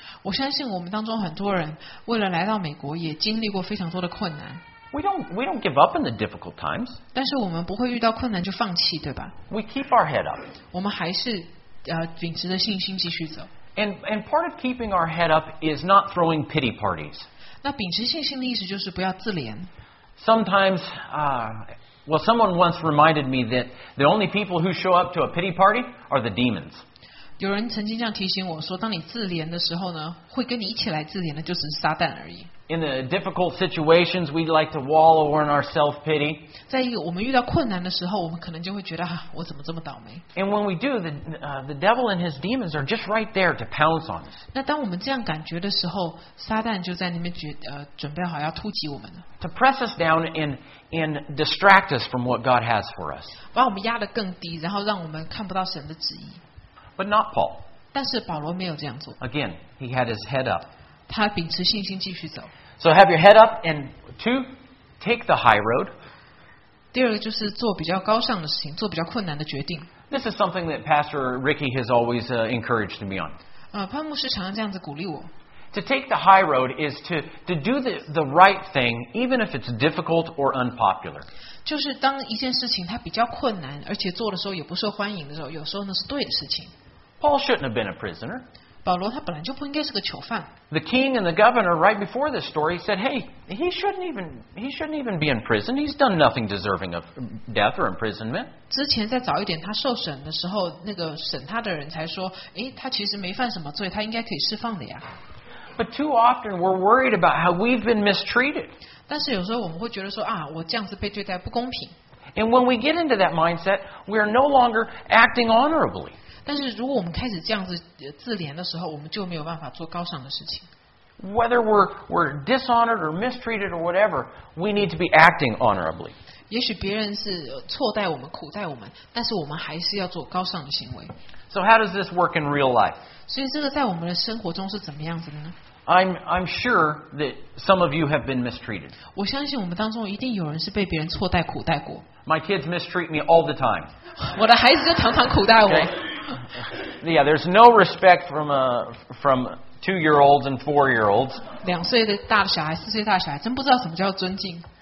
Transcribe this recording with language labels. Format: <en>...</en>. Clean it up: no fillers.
<zh>我相信我们当中很多人为了来到美国也经历过非常多的困难。</zh> <en>We don't give up in the difficult times.</en> <zh>但是我们不会遇到困难就放弃，对吧？</zh> <en>We keep our head up.</en> <zh>我们还是秉持着信心继续走。</zh> <en>And part of keeping our head up is not throwing pity parties.</en> <zh>那秉持信心的意思就是不要自怜。</zh> <en>Sometimes, someone once reminded me that the only people who show up to a pity party are the demons.</en> <zh>有人曾经这样提醒我说，当你自怜的时候呢，会跟你一起来自怜的就只是撒旦而已。</zh> <en>In the difficult situations, we like to wallow in our self-pity.</en> <zh>在一个我们遇到困难的时候，我们可能就会觉得啊，我怎么这么倒霉。</zh> <en>And when we do, the devil and his demons are just right there to pounce on us.</en> <zh>那当我们这样感觉的时候，撒旦就在那边准备好要突击我们了。</zh> <en>To press us down and distract us from what God has for us.</en> <zh>把我们压得更低，然后让我们看不到神的旨意。</zh> <en>But not Paul.</en> <zh>但是保罗没有这样做。</zh> <en>Again, he had his head up.</en> <zh>他秉持信心继续走。</zh> <en>So have your head up and two, take the high road.</en> <zh>第二个就是做比较高尚的事情，做比较困难的决定。</zh> <en>This is something that Pastor Ricky has always encouraged me on.</en> <zh>潘牧师常常这样子鼓励我。</zh> <en>To take the high road is to do the right thing, even if it's difficult or unpopular.</en> <zh>就是当一件事情它比较困难，而且做的时候也不受欢迎的时候，有时候那是对的事情。</zh> <en>Paul shouldn't have been a prisoner.</en> <zh>保罗他本来就不应该是个囚犯。</zh> <en>The king and the governor right before this story said, "Hey, he shouldn't even be in prison. He's done nothing deserving of death or imprisonment."</en> <zh>之前在早一点他受审的时候，那个审他的人才说，哎，他其实没犯什么罪，他应该可以释放的呀。</zh> <en>But too often we're worried about how we've been mistreated.</en> <zh>但是有时候我们会觉得说啊，我这样子被对待不公平。</zh> <en>And when we get into that mindset, we are no longer acting honorably.</en> <zh>但是如果我们开始这样子自怜的时候，我们就没有办法做高尚的事情。</zh> <en>Whether we're dishonored or mistreated or whatever, we need to be acting honorably.</en> <zh>也许别人是错待我们、苦待我们，但是我们还是要做高尚的行为。</zh> <en>So how does this work in real life?</en> <zh>所以这个在我们的生活中是怎么样子的呢？</zh> <en>I'm sure that some of you have been mistreated.</en> <zh>我相信我们当中一定有人是被别人错待、苦待过。</zh> <en>My kids mistreat me all the time.</en> <zh>我的孩子就常常苦待我。</zh> <en>Yeah, there's no respect from two-year-olds and four-year-olds.</en> <zh>两岁的大小孩、四岁大小孩，真不知道什么叫尊敬。</zh>